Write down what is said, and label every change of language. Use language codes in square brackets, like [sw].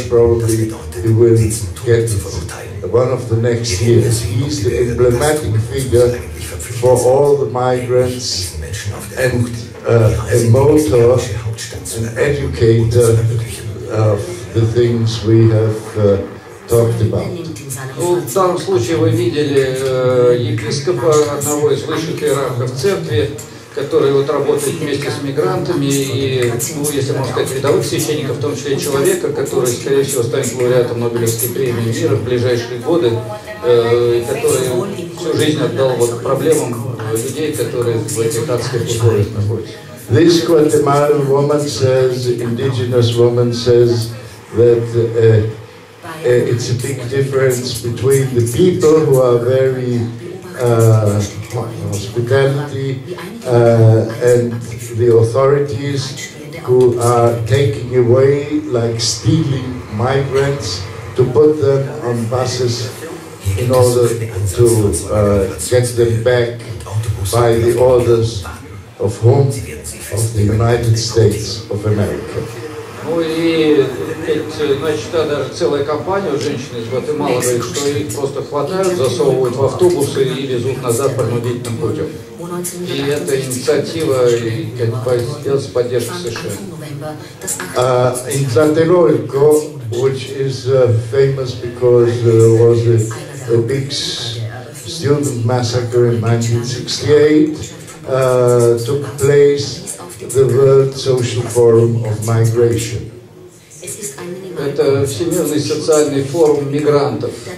[en] Probably he will get one of the next years. He's the emblematic figure for all the migrants and a motor, an educator, the things we have talked about. [ru] Ну, в данном случае вы видели епископа, одного из высших иерархов церкви, который вот работает вместе с мигрантами и, ну, если можно сказать, рядовых священников, в том числе человека, который, скорее всего, станет лауреатом Нобелевской премии мира в ближайшие годы, который всю жизнь отдал вот проблемам людей, которые в этих адских условиях находятся. [en] This Guatemalan woman says, indigenous woman says, that it's a big difference between the people who are very hospitality and the authorities who are taking away, like stealing migrants, to put them on buses in order to get them back by the orders of whom? Of the United States of America. [ru] Ну и, значит, даже целая компания у женщины из Гватемалы говорит, что их просто хватают, засовывают в автобусы и везут назад принудительным путем. И эта инициатива, как сделать поддержку США. [en] In Tlatelolco, which is famous because there was a big student massacre in 1968, took place the World Social Forum of Migration. [ru] Это Всемирный социальный форум мигрантов.